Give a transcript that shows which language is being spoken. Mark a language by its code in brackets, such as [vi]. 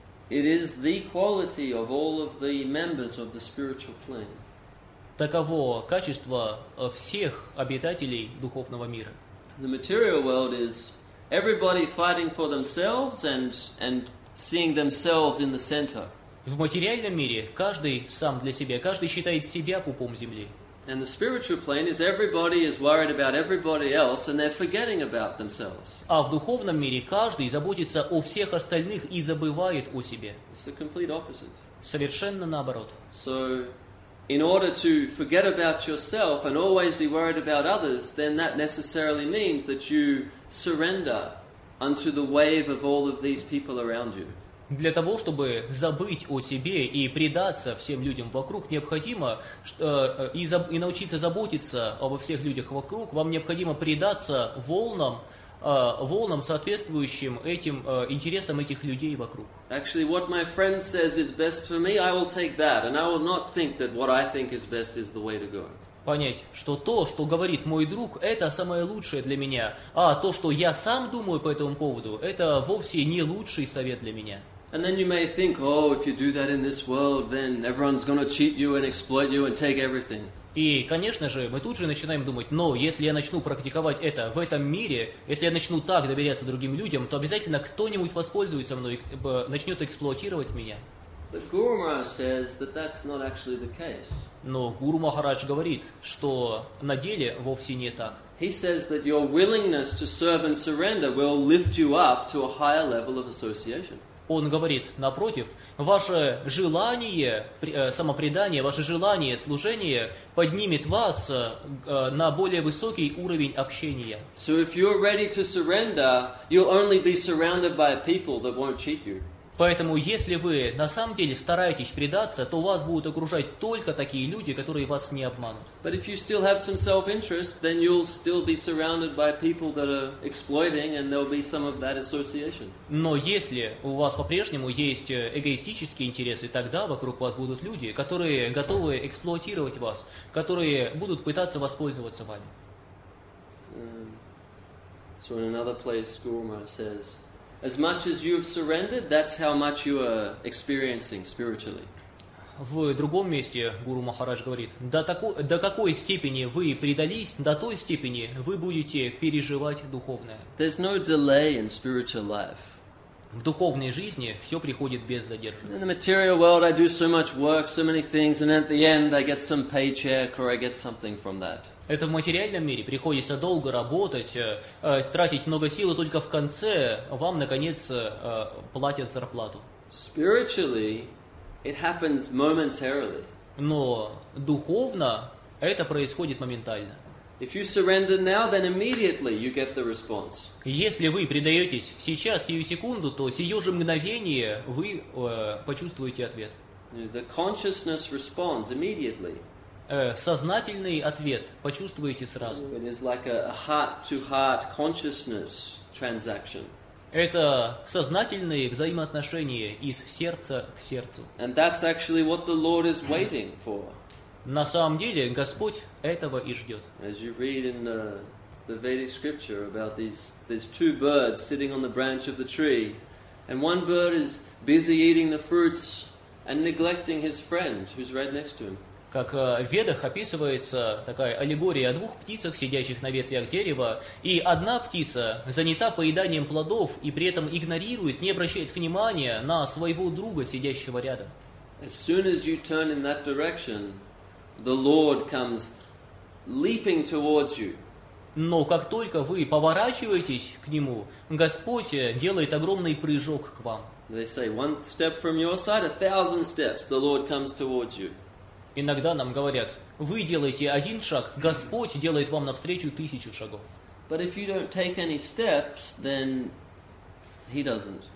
[en] It is the quality of all of the members of the spiritual plane. [ru] Таково качество всех обитателей духовного мира. [en] The material world is everybody fighting for themselves and seeing themselves in the center. [ru] В материальном мире каждый сам для себя, каждый считает себя пупом земли. [en] And the spiritual plane is everybody is worried about everybody else and they're forgetting about themselves. [ru] А в духовном мире каждый заботится о всех остальных и забывает о себе. [en] It's the complete opposite. [ru] Совершенно наоборот. [en] So, in order to forget about yourself and always be worried about others, then that necessarily means that you surrender unto the wave of all of these people around you. [ru] Для того, чтобы забыть о себе и предаться всем людям вокруг, необходимо и научиться заботиться обо всех людях вокруг, вам необходимо предаться волнам, соответствующим этим интересам этих людей вокруг. [en] Actually, what my friend says is best for me, I will take that, and I will not think that what I think is best is the way to go. [ru] Понять, что то, что говорит мой друг, это самое лучшее для меня, а то, что я сам думаю по этому поводу, это вовсе не лучший совет для меня. [en] And then you may think, oh, if you do that in this world, then everyone's going to cheat you and exploit you and take everything. [ru] И, конечно же, мы тут же начинаем думать, но если я начну практиковать это в этом мире, если я начну так доверяться другим людям, то обязательно кто-нибудь воспользуется мной, начнет эксплуатировать меня. [en] But Guru Maharaj says that that's not actually the case. [ru] Но Гуру Махарадж говорит, что на деле вовсе не так. [en] He says that your willingness to serve and surrender will lift you up to a higher level of association. [ru] Он говорит, напротив, ваше желание самопредания, ваше желание служения поднимет вас на более высокий уровень общения. [en] So if you're ready to surrender, you'll only be surrounded by people that won't cheat you. [ru] Поэтому, если вы на самом деле стараетесь предаться, то вас будут окружать только такие люди, которые вас не обманут. [en] But if you still have some self-interest, then you'll still be surrounded by people that are exploiting, and there'll be some of that association. [ru] Но если у вас по-прежнему есть эгоистические интересы, тогда вокруг вас будут люди, которые готовы эксплуатировать вас, которые будут пытаться воспользоваться вами. [en] So in another place, Guru Maharaj says, as much as you have surrendered, that's how much you are experiencing spiritually. [ru] В другом месте Гуру Махарадж говорит, до какой степени вы предались, до той степени вы будете переживать духовное. [en] There's no delay in spiritual life. [ru] В духовной жизни все приходит без задержки. [en] In the material world I do so much work, so many things, and at the end I get some paycheck or I get something from that. [ru] Это в материальном мире приходится долго работать, тратить много сил, и только в конце вам наконец платят зарплату. [en] Spiritually, it happens momentarily. [ru] Но духовно это происходит моментально. [en] If you surrender now, then immediately you get the response. [ru] Если вы предаетесь сейчас, сию секунду, то сию же мгновение вы почувствуете ответ. [en] The consciousness responds immediately. [ru] Сознательный ответ почувствуете сразу. [en] It is like a heart-to-heart consciousness transaction. [ru] Это сознательные взаимоотношения из сердца к сердцу. [en] And that's actually what the Lord is waiting for. [ru] На самом деле, Господь этого и ждет. [en] As you read in the Vedic scripture about these two birds sitting on the branch of the tree, and one bird is busy eating the fruits and neglecting his friend who's right next to him. [ru] Как в Ведах описывается такая аллегория о двух птицах, сидящих на ветвях дерева, и одна птица занята поеданием плодов и при этом игнорирует, не обращает внимания на своего друга, сидящего рядом. [en] As soon as you turn in that direction, the Lord comes leaping towards you. [ru] Но как только вы поворачиваетесь к Нему, Господь делает огромный прыжок к вам. [en] They say one step from your side, a thousand steps, the Lord comes towards you. [ru] Иногда нам говорят, вы делаете один шаг, Господь делает вам навстречу тысячу шагов. [en] But if you don't take any steps, then He doesn't.